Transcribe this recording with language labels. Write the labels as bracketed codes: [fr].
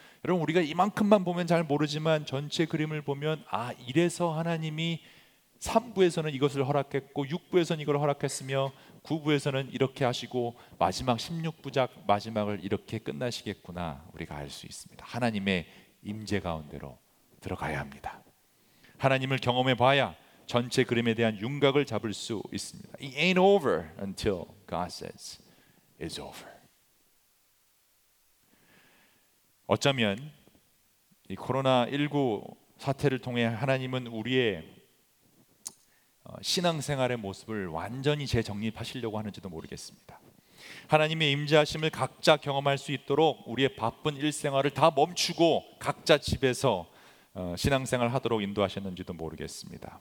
[ko] 여러분 우리가 이만큼만 보면 잘 모르지만 전체 그림을 보면 아 이래서 하나님이 3부에서는 이것을 허락했고 6부에서는 이걸 허락했으며 9부에서는 이렇게 하시고 마지막 16부작 마지막을 이렇게 끝나시겠구나 우리가 알 수 있습니다. 하나님의 임재 가운데로 들어가야 합니다. 하나님을 경험해 봐야 전체 그림에 대한 윤곽을 잡을 수 있습니다. [en] It ain't over until God says it's over. [ko] 어쩌면 이 코로나19 사태를 통해 하나님은 우리의 신앙생활의 모습을 완전히 재정립하시려고 하는지도 모르겠습니다. 하나님의 임재하심을 각자 경험할 수 있도록 우리의 바쁜 일생활을 다 멈추고 각자 집에서 신앙생활 하도록 인도하셨는지도 모르겠습니다.